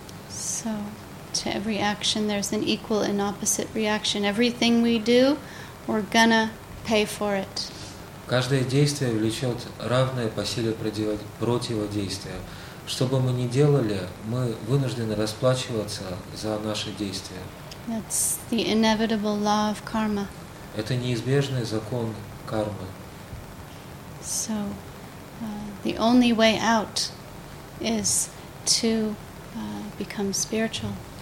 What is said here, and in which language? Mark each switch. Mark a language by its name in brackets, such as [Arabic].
[English] So, to every action there's an equal and opposite reaction. Everything we do, we're gonna pay for it. [Russian] Каждое действие влечет равное по силе противодействия. Что бы мы ни делали, мы вынуждены расплачиваться за наши действия. [English] That's the inevitable law of karma. [Russian] Это неизбежный закон кармы. [English] So, the only way out is to become spiritual.